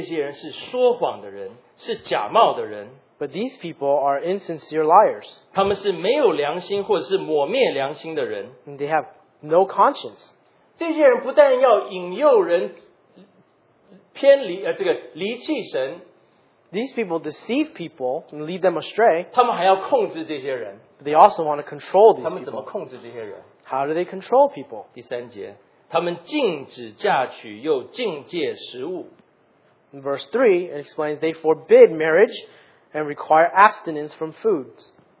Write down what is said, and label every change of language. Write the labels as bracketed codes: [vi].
[zh] 但是这些人是说谎的人，是假冒的人, [en] but these people are insincere liars. [zh] 他们是没有良心或者是抹灭良心的人, [en] and they have no conscience. [zh] 这些人不但要引诱人, 偏离这个离弃神, [en] these people deceive people and lead them astray. [zh] 他们还要控制这些人, [en] they also want to control these [zh] 他们怎么控制这些人? [en] People. How do they control people? [zh] 第三节, 他们禁止嫁娶又禁戒食物。 [en] Verse 3 it explains they forbid marriage and require abstinence from foods.